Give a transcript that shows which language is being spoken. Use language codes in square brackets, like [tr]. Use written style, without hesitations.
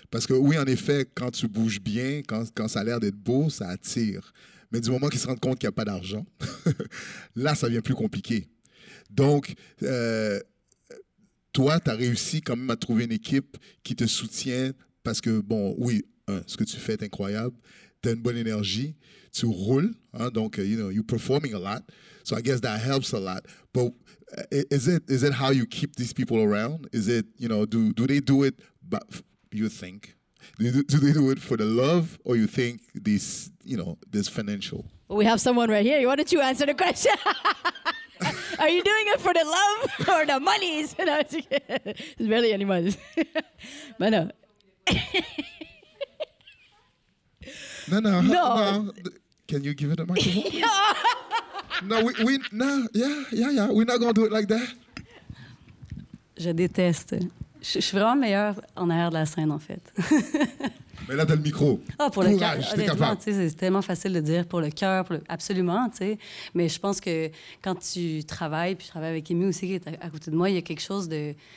[fr] Parce que oui, en effet, quand tu bouges bien, quand ça a l'air d'être beau, ça attire. Mais du moment qu'ils se rendent compte qu'il n'y a pas d'argent, là, ça devient plus compliqué. Donc, toi, tu as réussi quand même à trouver une équipe qui te soutient parce que, bon, oui, ce que tu fais est incroyable. Tu as une bonne énergie. Tu roules. Hein, donc, [en] you know, you're performing a lot. So I guess that helps a lot. But is it how you keep these people around? Is it, you know, do they do it, but you think? Do they do it for the love or you think this, you know, this financial? We have someone right here. Why don't you answer the question? Are you doing it for the love or the monies? No, it's barely any monies. But no. No. Can you give it a microphone? No, we we're not going to do it like that. [fr] Je déteste. Je suis vraiment meilleure en arrière de la scène, en fait. Mais là, t'as le micro. Ah, pour courage, le cœur. Honnêtement, c'est tellement facile de dire pour le cœur, absolument, tu sais. Mais je pense que quand tu travailles, puis je travaille avec Amy aussi, qui est à côté de moi, il y a quelque chose de...